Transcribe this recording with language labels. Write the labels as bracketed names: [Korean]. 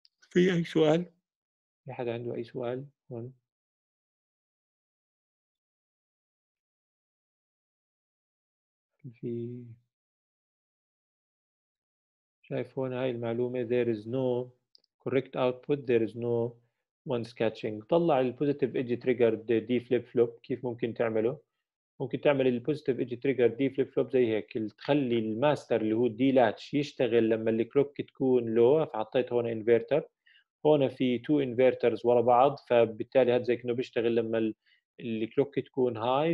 [Arabic] في أي سؤال؟ في حد عنده أي سؤال هون؟ في شايف هون هاي المعلومة [English] there is no correct output, there is no one sketching. [Arabic] طلع البوزيتيف ايجي تريجر دي فليب فلوب، كيف ممكن تعمله؟ ممكن تعمل البوزيتيف ايجي تريجر دي فليب فلوب زي هيك، تخلي الماستر اللي هو دي لاتش يشتغل لما الكلوك تكون لو، فحطيت هون انفرتر، هون في تو انفرترز ورا بعض، فبالتالي هذا زي كانه بيشتغل لما الكلوك تكون هاي.